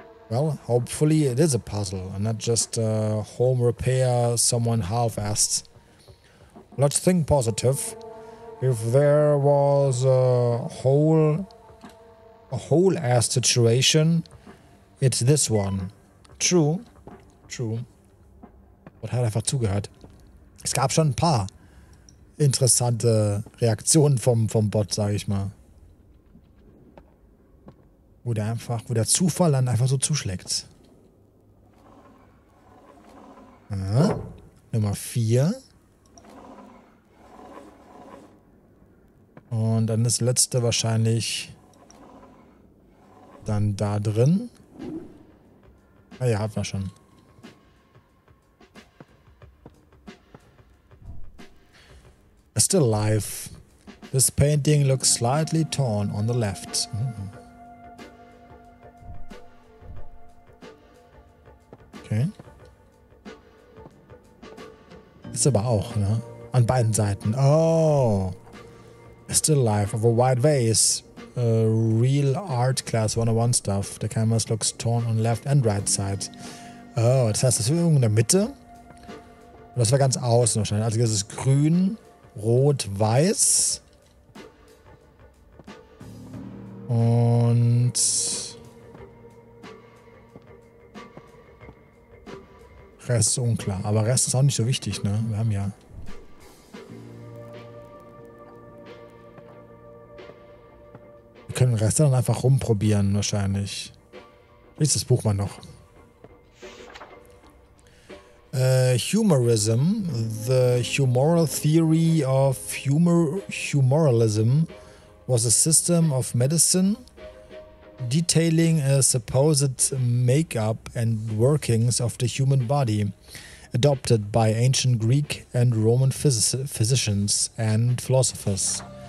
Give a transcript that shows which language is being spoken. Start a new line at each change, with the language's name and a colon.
English: Well, hopefully it is a puzzle and not just a home repair someone half-assed. Let's think positive. If there was a whole-ass situation, it's this one. True. True.
German: Gott hat einfach zugehört. Es gab schon ein paar interessante Reaktionen vom Bot, sag ich mal. Wo der Zufall dann einfach so zuschlägt. Ja, Nummer 4. Und dann das letzte wahrscheinlich dann da drin. Ah ja, hat man schon.
English: Still alive. This painting looks slightly torn on the left. Okay.
German: Ist aber auch, ne? An beiden Seiten. Oh.
English: Still alive of a white vase. Real art class 101 stuff. The canvas looks torn on left and right side.
German: Oh, das heißt, das ist irgendwo in der Mitte. Das war ganz außen wahrscheinlich. Also das ist grün, rot, weiß. Und Rest ist unklar. Aber Rest ist auch nicht so wichtig, ne? Wir haben ja. Wir können den Rest dann einfach rumprobieren, wahrscheinlich. Lies das Buch mal noch.
English: Humorism, the humoral theory of humoralism, was a system of medicine detailing a supposed makeup and workings of the human body, adopted by ancient Greek and Roman physicians and philosophers.